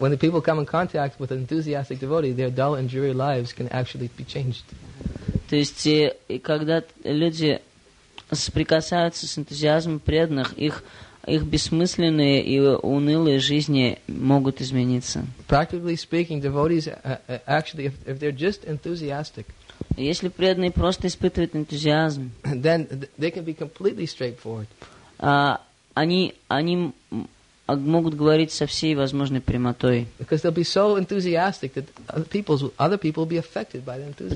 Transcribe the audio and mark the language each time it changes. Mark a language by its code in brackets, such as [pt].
[en] when the people come in contact with an enthusiastic devotee, their dull and dreary lives can actually be changed. [ru] То есть, когда люди соприкасаются с энтузиазмом преданных, их бессмысленные и унылые жизни могут измениться. [en] Practically speaking, devotees actually, if they're just enthusiastic. [ru] Если преданные просто испытывают энтузиазм, [en] then they can be completely straightforward. [ru] Они могут говорить со всей возможной прямотой. [en] Because they'll be so enthusiastic that other people will be affected by the enthusiasm.